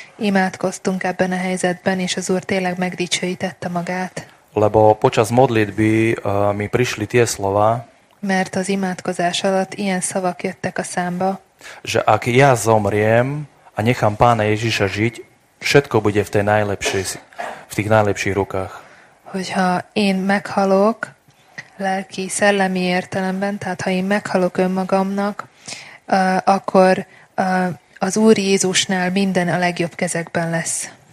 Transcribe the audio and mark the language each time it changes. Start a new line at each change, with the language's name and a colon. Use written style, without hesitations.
Hungarian: Imádkoztunk ebben a helyzetben, és az Úr tényleg megdicsőítette magát.
Slovak: Lebo počas modlitby mi prišli tie slova,
Hungarian: mert az imádkozás alatt ilyen szavak jöttek a számba,
Slovak: že ak ja zomriem a nechám Pána Ježiša žiť, všetko bude v tej najlepšej, v tých najlepších rukách.
Hungarian: Hogyha én meghalok lelki, szellemi értelemben, tehát ha én meghalok önmagamnak, akkor az Úr Jézusnál minden a legjobb kezekben lesz.